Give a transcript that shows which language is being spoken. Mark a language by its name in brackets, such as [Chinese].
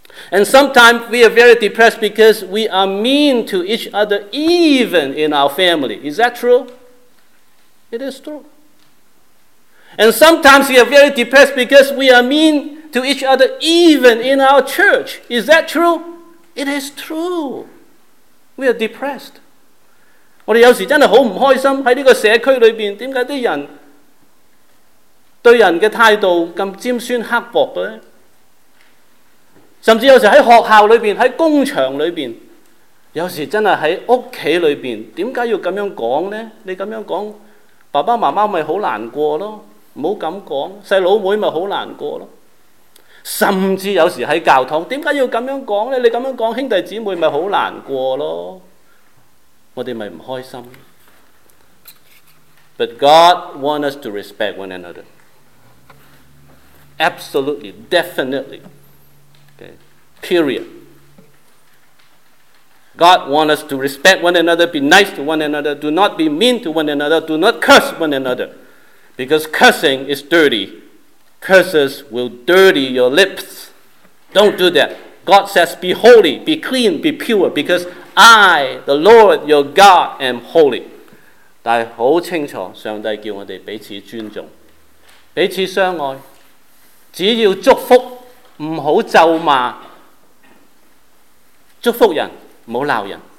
[English] And sometimes we are very depressed because we are mean to each other, even in our family. Is that true? It is true. And sometimes we are very depressed because we are mean to each other, even in our church. Is that true? It is true. We are depressed. [Chinese] 我们有时真的很不开心，在这个社区里面，为什么人对人的态度这么尖酸刻薄呢？甚至有时在学校里面，在工场里面，有时真的在家里面，为什么要这样说呢？你这样说，爸爸妈妈就很难过咯，不要这样说，弟弟妹妹就很难过咯。甚至有时在教堂，为什么要这样说呢？你这样说，兄弟姊妹就很难过咯，我们就不开心。 [English] But God wants us to respect one another. Absolutely, definitely. Period. God wants us to respect one another, be nice to one another, do not be mean to one another, do not curse one another. Because cursing is dirty. Curses will dirty your lips. Don't do that. God says, be holy, be clean, be pure, because I, the Lord, your God, am holy. [Chinese] 但很清楚，上帝叫我们彼此尊重，彼此相爱，只要祝福，不要咒骂，祝福人，不要闹人。